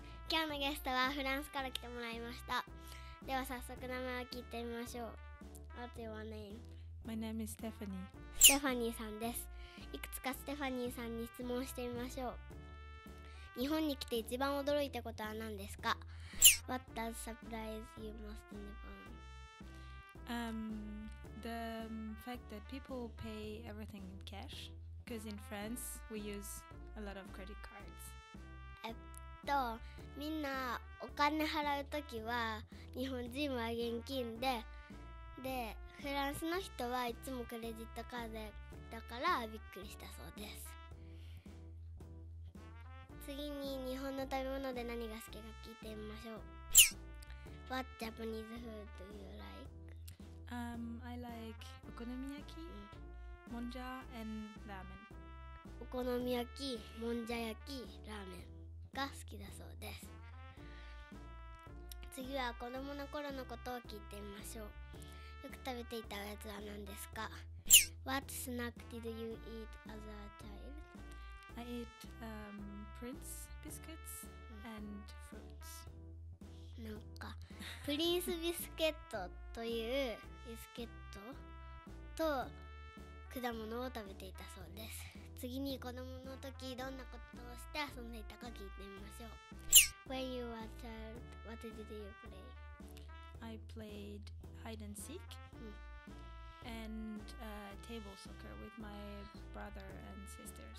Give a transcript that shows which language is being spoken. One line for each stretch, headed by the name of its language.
Japanese: 今日のゲストはフランスから来てもらいました。では早速名前を聞いてみましょう。
English: What's your name? My name is Stephanie。
Japanese: Stephanie さんです。いくつか Stephanie さんに質問してみましょう。日本に来て一番驚いたことは何ですか？
English: What does surprise you most in Japan? The fact that people pay everything in cash, because in France we use a lot of credit cards.
Japanese: みんなお金払うときは日本人は現金で、でフランスの人はいつもクレジットカードだからびっくりしたそうです。次に日本の食べ物で何が好きか聞いてみましょう。
English: What Japanese food do you like? I like okonomiyaki, monja, and ramen.
Japanese: Okonomiyaki, monja yaki, ramen が好きだそうです。次は子供の頃のことを聞いてみましょう。よく食べていたおやつは何ですか？
English: What snack did you eat as a child? I eat Prince biscuits and fruits.
Japanese: なんかプリンスビスケットというビスケットと果物を食べていたそうです。次に子供の時どんなことをして遊んでいたか聞いてみましょう。
English: When you were a child, what did you play? I played hide and seek and table soccer with my brother and sisters.